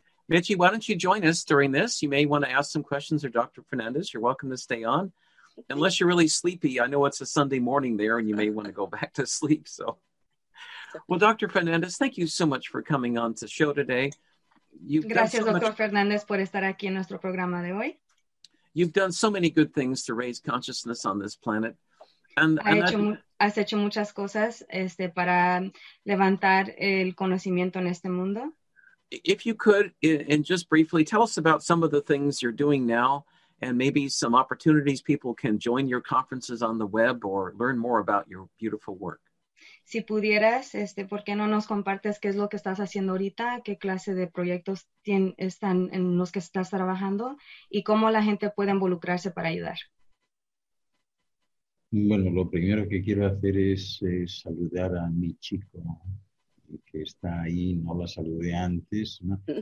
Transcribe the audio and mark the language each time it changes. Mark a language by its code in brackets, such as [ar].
[en] Michi, why don't you join us during this? You may want to ask some questions or Dr. Fernandez. You're welcome to stay on. Unless you're really sleepy. I know it's a Sunday morning there and you may want to go back to sleep. So, well, Dr. Fernandez, thank you so much for coming on the show today. [es] Gracias, Dr. Fernandez, por estar aquí en nuestro programa de hoy. [en] You've done so many good things to raise consciousness on this planet. [es] Has hecho muchas cosas para levantar el conocimiento en este mundo. [en] if you could, and just briefly, tell us about some of the things you're doing now and maybe some opportunities people can join your conferences on the web or learn more about your beautiful work. [es] Si pudieras, ¿por qué no nos compartes qué es lo que estás haciendo ahorita? ¿Qué clase de proyectos están en los que estás trabajando? ¿Y cómo la gente puede involucrarse para ayudar? Bueno, lo primero que quiero hacer es saludar a mi chico, que está ahí, no la saludé antes, ¿no?